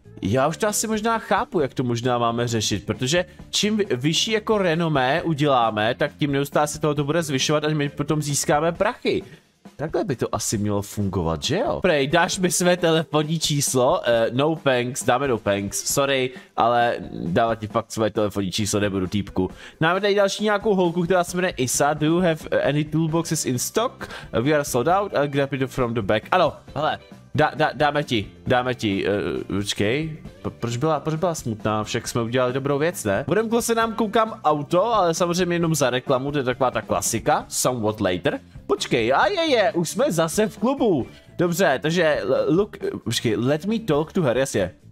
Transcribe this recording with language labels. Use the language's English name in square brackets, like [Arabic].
[Czech] Já už to asi možná chápu, jak to možná máme řešit, protože čím vyšší jako renomé uděláme, tak tím neustále se tohoto bude zvyšovat, až my potom získáme prachy. Takhle by to asi mělo fungovat, že jo? Prej, dáš mi své telefonní číslo? [English] No thanks, [Czech] dáme [English] no thanks, [Czech] sorry, ale dávat ti fakt své telefonní číslo nebudu, týpku. Máme tady další nějakou holku, která se jmenuje Isa. [English] Do you have any toolboxes in stock? We are sold out, I'll grab it from the back. [Czech] Ano, hele, dáme ti, počkej, proč byla smutná, však jsme udělali dobrou věc, ne? Budem klose nám koukám auto, ale samozřejmě jenom za reklamu, to je taková ta klasika, [English] somewhat later. [Czech] Počkej, ajeje, už jsme zase v klubu. Dobře, takže, počkej, [English] let me talk to her, [Czech] jasně.